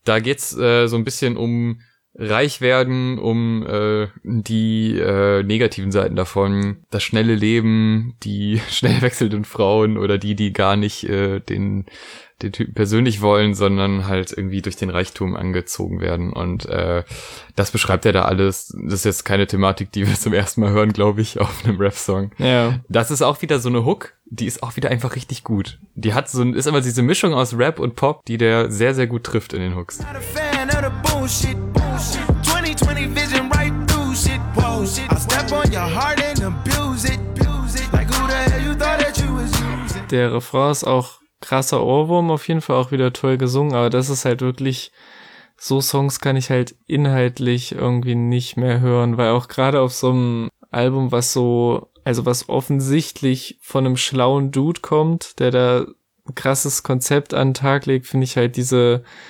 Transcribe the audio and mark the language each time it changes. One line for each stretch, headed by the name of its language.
German: Da geht's so ein bisschen um reich werden, um die negativen Seiten davon, das schnelle Leben, die schnell wechselnden Frauen oder die, die gar nicht den Typen persönlich wollen, sondern halt irgendwie durch den Reichtum angezogen werden. Und das beschreibt er da alles. Das ist jetzt keine Thematik, die wir zum ersten Mal hören, glaube ich, auf einem Rap-Song. Ja. Das ist auch wieder so eine Hook, die ist auch wieder einfach richtig gut. Die hat so ist immer diese Mischung aus Rap und Pop, die der sehr, sehr gut trifft in den Hooks.
English: Not a fan of the bullshit. 2020 vision right through shit, whoa shit. I step on your heart and abuse it. Like who the hell you thought that you was using.
German: Der Refrain ist auch krasser Ohrwurm, auf jeden Fall auch wieder toll gesungen, aber das ist halt wirklich, so Songs kann ich halt inhaltlich irgendwie nicht mehr hören, weil auch gerade auf so einem Album, was so, also was offensichtlich von einem schlauen Dude kommt, der da ein krasses Konzept an den Tag legt, finde ich halt diese